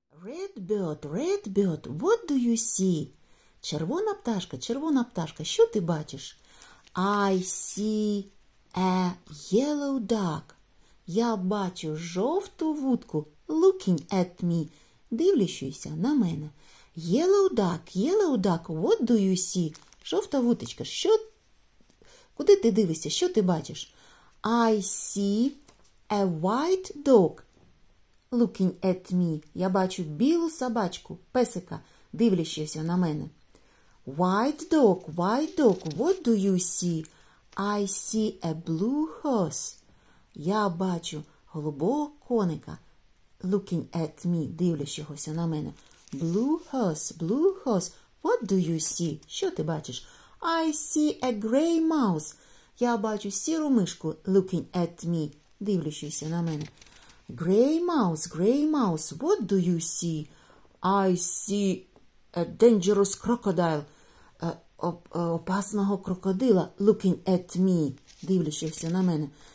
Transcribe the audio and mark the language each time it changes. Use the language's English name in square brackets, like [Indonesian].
[English] Redbird, Redbird, what do you see? [Ukrainian] Червона пташка, що ти бачиш? [English] I see a yellow duck. [Ukrainian] Я бачу жовту вудку. [English] Looking at me. [Ukrainian] Дивлячись на мене. [English] Yellow duck, what do you see? [Ukrainian] Жовта вуточка, що... Куди ти дивишся, що ти бачиш? [English] I see a white dog. Looking at me. [Ukrainian] Я бачу білу собачку, песика, дивлячись на мене. [English] White dog, what do you see? I see a blue horse. [Ukrainian] Я бачу голубого коника, [English] looking at me, [Ukrainian] дивлячись на мене. [English] Blue horse, what do you see? [Ukrainian] Що ти бачиш? [English] I see a gray mouse. [Ukrainian] Я бачу сіру мишку, [English] looking at me, [Ukrainian] дивлячись на мене. [English] Gray mouse, what do you see? I see a dangerous crocodile. [Ukrainian] Опасного крокодила, [English] looking at me, [Ukrainian] дивлячись на мене.